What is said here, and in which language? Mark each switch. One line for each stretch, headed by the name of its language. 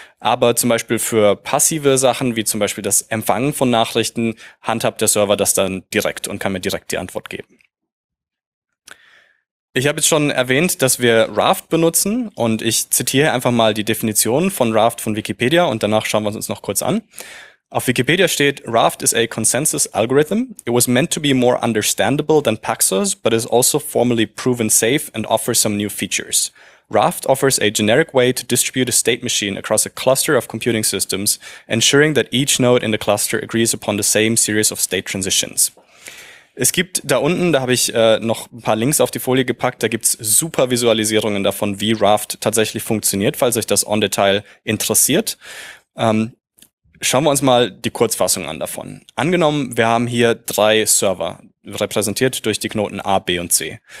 German: Aber zum Beispiel für passive Sachen, wie zum Beispiel das Empfangen von Nachrichten, handhabt der Server das dann direkt und kann mir direkt die Antwort geben. Ich habe jetzt schon erwähnt, dass wir Raft benutzen und ich zitiere einfach mal die Definition von Raft von Wikipedia und danach schauen wir uns noch kurz an. Auf Wikipedia steht,
English: Raft is a consensus algorithm. It was meant to be more understandable than Paxos, but is also formally proven safe and offers some new features. Raft offers a generic way to distribute a state machine across a cluster of computing systems, ensuring that each node in the cluster agrees upon the same series of state transitions.
German: Es gibt da unten, da habe ich noch ein paar Links auf die Folie gepackt, da gibt's super Visualisierungen davon, wie Raft tatsächlich funktioniert, falls euch das on detail interessiert. Schauen wir uns mal die Kurzfassung an davon. Angenommen, wir haben hier drei Server, repräsentiert durch die Knoten A, B und C.